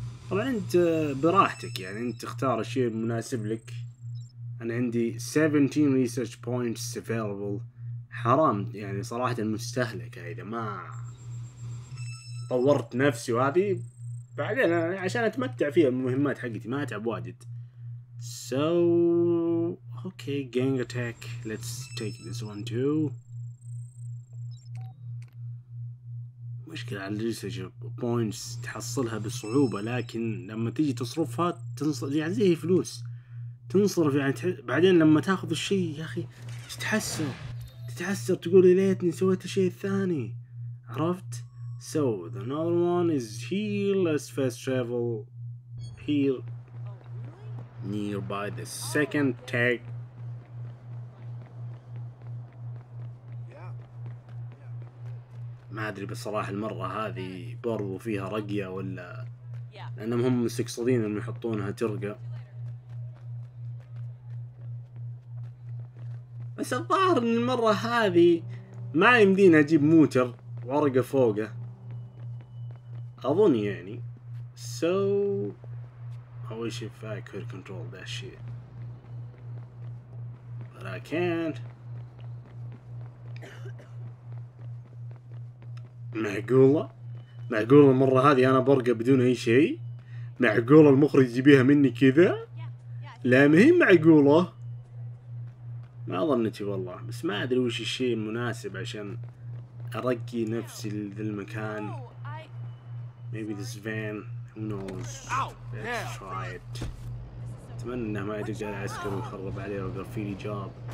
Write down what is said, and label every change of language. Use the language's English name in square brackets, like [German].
[Arabic] طبعا انت براحتك، يعني انت تختار الشيء المناسب لك. انا عندي 17 ريسيرش بوينتس افيلبل. حرام يعني صراحة مستهلكة إذا ما طورت نفسي، وهذه بعدين عشان أتمتع فيها المهمات حقتي ما أتعب واجد. [English] So okay gang attack let's take this one too. [Arabic] مشكلة على الريسيرش بوينتس تحصلها بصعوبة، لكن لما تيجي تصرفها تنصرف يعني زي فلوس تنصرف، يعني بعدين لما تاخذ الشيء يا أخي تتحسر تحسر تقول ليتني سويت الشيء الثاني، عرفت؟ [English] So the another one is here. Let's fast travel here nearby the second tag. [Arabic] ما أدري بصراحة المرة هذه برضو فيها رقية ولا لأنهم هم مستقصدين إنهم يحطونها ترقى. بس الظاهر ان المرة هذي ما يمدينا اجيب موتر وارقى فوقه اظن يعني. [English] So I wish if I could control that shit but I can't. [Arabic] معقولة المرة هذي انا برقى بدون اي شيء؟ معقولة المخرج يجيبيها مني كذا؟ لا مهم معقولة. ما ظنيتي والله، بس ما أدري وش الشيء المناسب عشان أرقي نفسي للمكان. [English] Maybe this van, who knows? Let's try it. [Arabic] أتمنى إنه ما يتجرى عسكر ويخرب عليه الجرافيتي جوب.